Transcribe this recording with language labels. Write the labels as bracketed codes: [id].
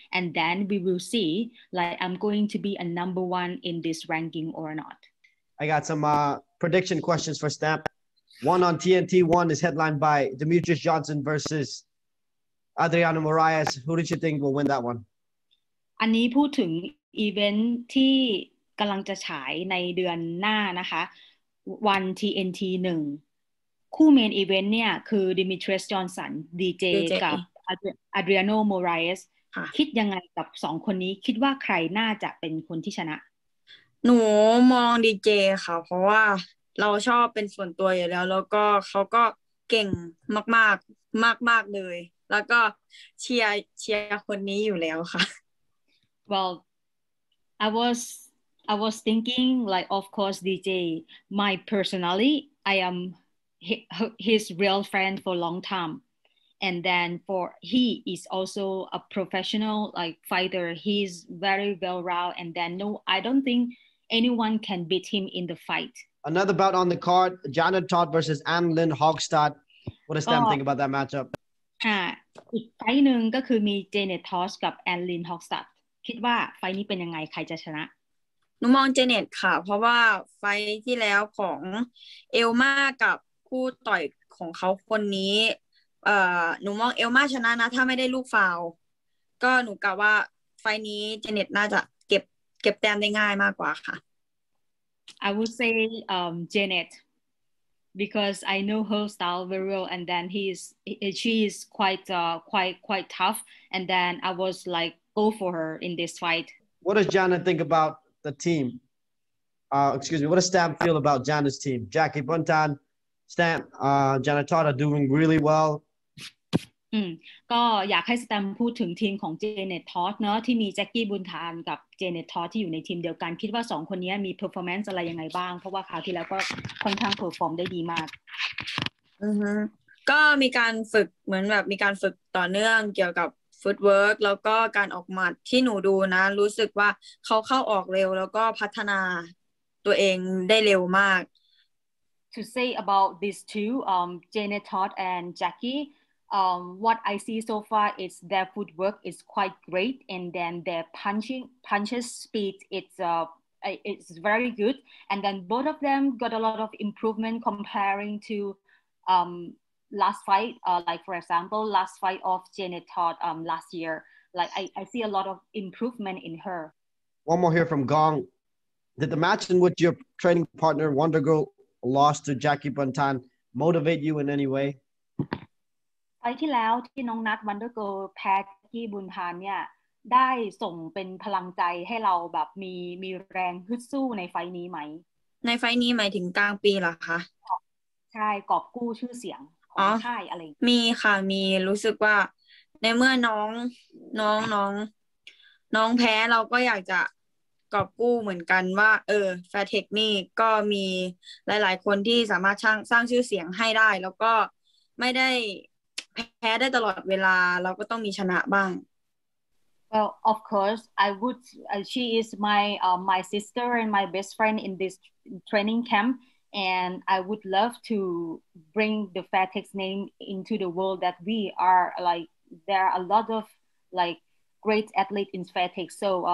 [en] And then we will see like I'm going to be a number one in this ranking or not. I got some prediction questions for Stamp. One on TNT, one is headlined by Demetrius Johnson versus Adriano Moraes. Who did you think will win that one? [th] อันนี้พูดถึงอีเวนท์ที่กำลังจะฉายในเดือนหน้านะคะวัน TNT 1คู่เมนอีเวนท์เนี่ยคือ Demetrius Johnson DJ กับ Adriano Moraes คิดยังไงกับ2คนนี้คิดว่าใครน่าจะเป็นคนที่ชนะ หนูมอง DJ ค่ะเพราะว่าเราชอบเป็นส่วนตัวอยู่แล้วแล้วก็เขาก็เก่งมากๆมากๆเลยแล้วก็เชียร์คนนี้อยู่แล้วค่ะ [en] Well, I was thinking, like, of course, DJ, my personality, I am his real friend for a long time. And then he is also a professional, like, fighter. He's very well-rounded. And then, no, I don't think anyone can beat him in the fight. Another bout on the card, Janet Todd versus Ann-Lynn Hogstad. What does Stan think about that matchup? [th] อีกไฟหนึ่งก็คือมี Janet Todd กับ Ann-Lynn Hogstad. คิดว่าไฟนี้เป็นยังไงใครจะชนะ หนูมองเจเน็ตค่ะเพราะว่าไฟที่แล้วของเอลมากับคู่ต่อยของเขาคนนี้หนูมองเอลมาชนะนะถ้าไม่ได้ลูกฟาวก็หนูกะว่าไฟนี้เจเน็ตน่าจะเก็บแต้มได้ง่ายมากกว่าค่ะ [en] I would say Janet because I know her style very well and then she is quite tough and then I was likeFor her in this fight. What does Jana think about the team? What does Stamp feel about Jana's team? Jackie Buntan, Stamp, Jana Todd are doing really well. [th] ก็อยากให้ Stamp พูดถึงทีมของ Janet Todd เนอะที่มี Jackie Buntan กับ Janet Todd ที่อยู่ในทีมเดียวกันคิดว่า2คนนี้มี performance อะไรยังไงบ้างเพราะว่าคราวที่แล้วก็ค่อนข้าง perform ได้ดีมาก ก็มีการฝึกเหมือนแบบมีการฝึกต่อเนื่องเกี่ยวกับfootwork แล้วก็การออกหมัดที่หนูดูนะรู้สึกว่าเขาเข้าออกเร็วแล้วก็พัฒนาตัวเองได้เร็วมาก [en] To say about these two Janet Todd and Jackie what I see so far is their footwork is quite great and then their punches speed it's very good and then both of them got a lot of improvement comparing to last fight like for example last fight of Janet Todd last year like I see a lot of improvement in her one more here from Gong did the match in which your training partner Wonder Girl lost to Jackie Buntan motivate you in any way [th] ไฟที่แล้วที่น้องนัท Wonder Girl แพ้ Jackie Buntan เนี่ยได้ส่งเป็นพลังใจให้เราแบบมีแรงฮึดสู้ในไฟนี้ไหม ในไฟนี้หมายถึงกลางปีเหรอคะ ใช่กอบกู้ชื่อเสียง มีค่ะมีรู้สึกว่าในเมื่อน้องแพ้เราก็อยากจะกอบกู้เหมือนกันว่าแฟร์เทคนี่ก็มีหลายๆคนที่สามารถสร้างชื่อเสียงให้ได้แล้วก็ไม่ได้แพ้ได้ตลอดเวลาเราก็ต้องมีชนะบ้าง [en] Well of course I would she is my my sister and my best friend in this training campAnd I would love to bring the Fairtex name into the world that we are like, there are a lot of like great athletes in Fairtex. So